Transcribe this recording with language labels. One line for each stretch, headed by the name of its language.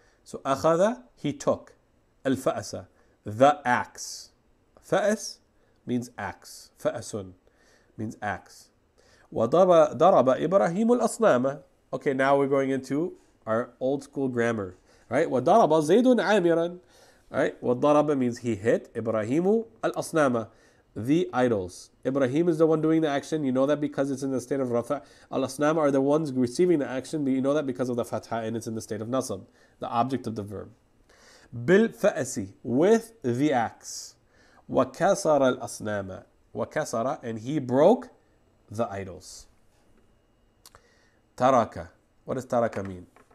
English: So أخذ he took.
Arabic: الفأس
English: the axe. فأس means axe. فأس means axe.
Arabic: وضرب إبراهيم الأصنام.
English: Okay, now we're going into our old school grammar, right?
Arabic: وضرب زيد عامرا. Right?
English: وضرب means he hit
Arabic: إبراهيم الأصنام.
English: The idols. Ibrahim is the one doing the action. You know that because it's in the state of Rafa. Al-Asnam are the ones receiving the action. You know that because of the Fatha and it's in the state of Nasab. The object of the verb. Bil-Fa'asi. With the axe.
Arabic: Wa-Kasara al-Asnama.
English: Wa-Kasara. And he broke the idols. Taraka. What does Taraka mean?